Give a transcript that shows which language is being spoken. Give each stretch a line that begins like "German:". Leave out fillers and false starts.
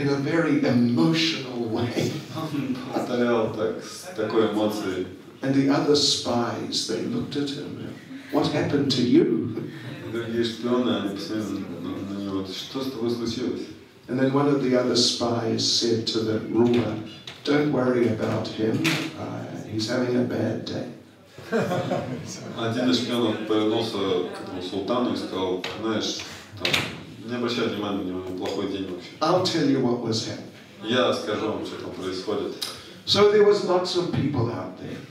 English: In a very emotional way.
Russian: Повторял так, с такой эмоцией.
English: And the other spies, they looked at him. What happened to you?
Russian: Другие шпионы, они посмотрели на него. Что с тобой случилось?
English: And then one of the other spies said to the ruler, don't worry about him, he's having a bad day.
Russian: Один из шпионов повернулся к этому султану и сказал, знаешь, не обращай внимания на него, плохой день вообще.
English: I'll tell you what was happening.
Russian: Я скажу вам, что там происходит.
English: So there was lots of people out there.